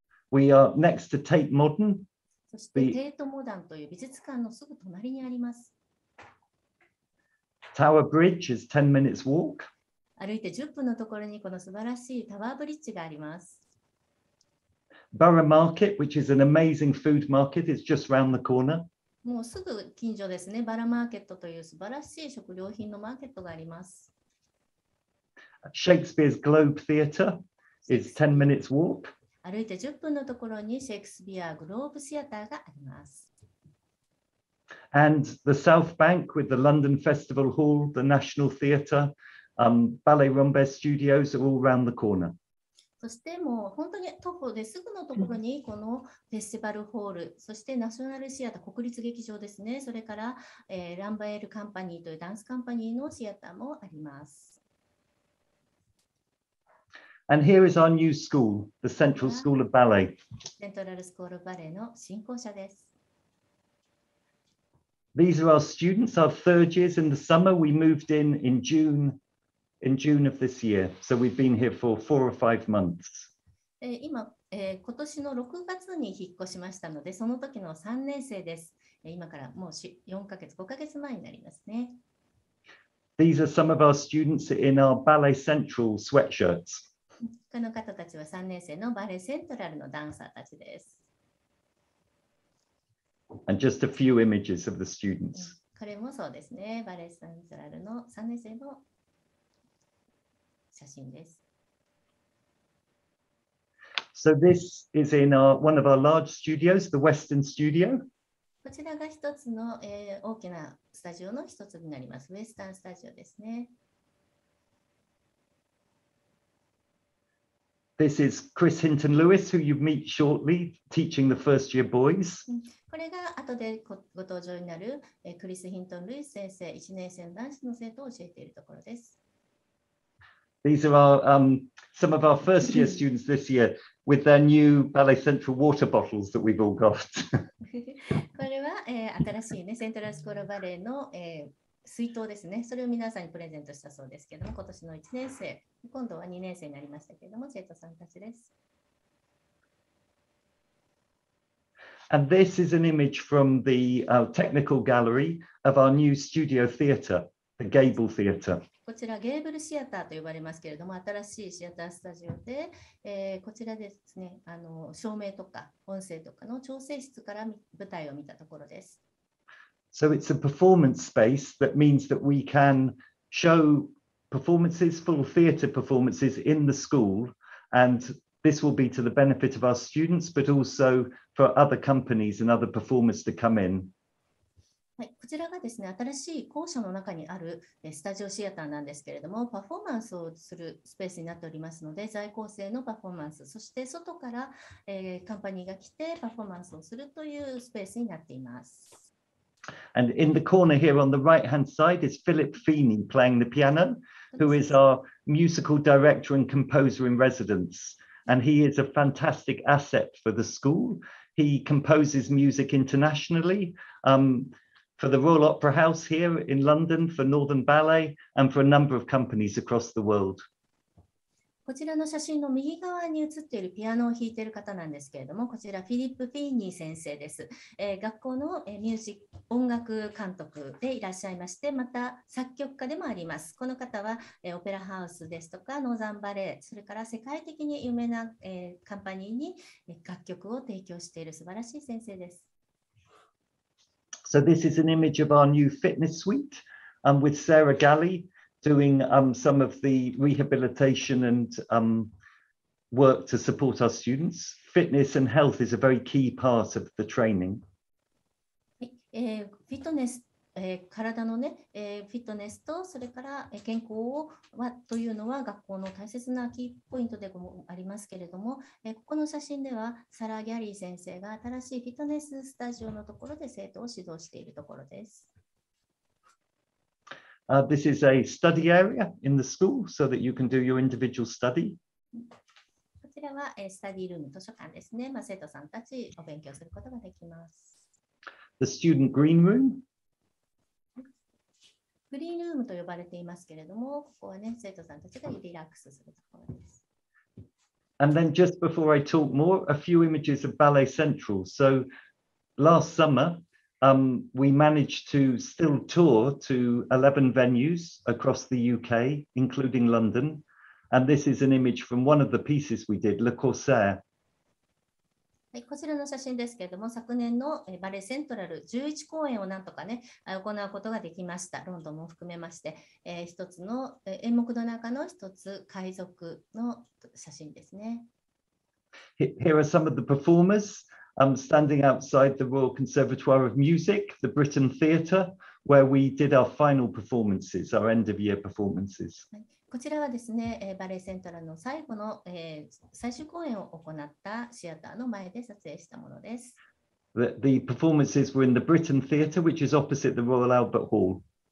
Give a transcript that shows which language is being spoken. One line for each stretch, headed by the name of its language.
English: We are next to Tate Modern.
Japanese: そしてテイトモダンという美術館のすぐ隣にあります。
English: Tower Bridge is 10 minutes walk.
Japanese: 歩いて10分のところにこの素晴らしいタワーブリッジがあります。
English: Borough Market, which is an amazing food market, is just round the corner.
Japanese: もうすぐ近所ですね。バラマーケットという素晴らしい食料品のマーケットがあります。
English: Shakespeare's Globe Theatre is 10 minutes walk.
Japanese: 歩いて10分のところにシェイクスピアグローブシアターがあります。
English: And the South Bank with the London Festival Hall, the National Theatre, Ballet Rumbert Studios are all round the corner.
Japanese: そしてもう本当に徒歩ですぐのところにこのフェスティバルホール、そしてナショナルシアター、国立劇場ですね、それから、ランバエルカンパニーというダンスカンパニーのシアターもあります。
English: And here is our new school, the Central School of Ballet.
Japanese: セントラルスクールバレーの新校舎です。
English: These are our students, our third years in the summer. We moved in June. In June of this year. So we've been here for 4 or 5 months.
Japanese: 今、今年の6月に引っ越しましたので、その時の3年生です。今からもう4ヶ月、5ヶ月前になりますね。
English: These are some of our students in our Ballet Central sweatshirts.
Japanese: この方たちは3年生のバレーセントラルのダンサーたちです。
English: And just a few images of the students.
Japanese: これもそうですね。バレーセントラルの3年生の写真です。
English: So this is in our, one of our large studios, the Western Studio.
Japanese: こちらが一つの、大きなスタジオの一つになります。 Western Studio ですね。
English: This is Chris Hinton Lewis, who you meet shortly, teaching the first year boys.
Japanese: これが後でご登場になる、クリス・ヒントン・ルイス先生、1年生の男子の生徒を教えているところです。
English: These are our, some of our first year students this year with their new Ballet Central water bottles that we've all got.
Japanese: これは、新しいね、セントラルスクールバレーの、水筒ですね。それを皆さんにプレゼントしたそうですけども、今年の1年生、今度は2年生になりましたけども、生徒さんたちです。
English: And this is an image from the, technical gallery of our new studio theater, the Gable Theater.
Japanese: こちらゲーブルシアターと呼ばれますけれども、新しいシアタースタジオで、こちらですね、照明とか音声とかの調整室から舞台を見たところです。
English: So it's a performance space that means that we can show performances, full theater performances in the school, and this will be to the benefit of our students, but also for other companies and other performers to come in.
Japanese: はい、こちらがですね、新しい校舎の中にあるスタジオシアターなんですけれども、パフォーマンスをするスペースになっておりますので、在校生のパフォーマンス、そして外から、カンパニーが来てパフォーマンスをするというスペースになっています。
English: And in the corner here on the right hand side is Philip Feeney playing the piano, who is our musical director and composer in residence. And he is a fantastic asset for the school. He composes music internationally. For the Royal Opera House here in London, for Northern Ballet, and for a number of companies across the world.
Japanese: こちらの写真の右側に写っているピアノを弾いている方なんですけれども、こちらフィリップ・フィーニー先生です。学校のミュージック音楽監督でいらっしゃいまして、また作曲家でもあります。この方はオペラハウスですとか、ノーザンバレー、それから世界的に有名なカンパニーに楽曲を提供している素晴らしい先生です。
English: So this is an image of our new fitness suite, with Sarah Galley doing some of the rehabilitation and work to support our students. Fitness and health is a very key part of the training.
Japanese: フィットネス、体のね、フィットネスとそれから健康をはというのは学校の大切なキーポイントでもありますけれども、ここの写真ではサラ・ギャリー先生が新しいフィットネススタジオのところで生徒を指導しているところです。
English: This is a study area in the school so that you can do your individual study.
Japanese: こちらはは、スタディールーム図書館ですね。まあ、生徒さんたちお勉強することができます。
English: The student green room。
Japanese: グリーンルームと呼ばれていますけれども、ここはね、生徒さんたちがリラックスするところです。
English: And then just before I talk more, a few images of Ballet Central. So last summer, we managed to still tour to 11 venues across the UK, including London. And this is an image from one of the pieces we did, Le Corsaire.
Japanese: はい、こちらの写真ですけれども、昨年のバレーセントラル11公演をなんとかね、行うことができました。ロンドンも含めまして、一つの演目の中の一つ、海賊の写真ですね。
English: Here are some of the performers. I'm standing outside the Royal Conservatoire of Music, the Britain Theatre, where we did our final performances, our end of year performances.、
Japanese: はい、こちらはですね、バレエセントラルの最後の、最終公演を行ったシアターの前で撮影したものです。
English: The performances were in the Britain Theatre, which is opposite the Royal Albert Hall.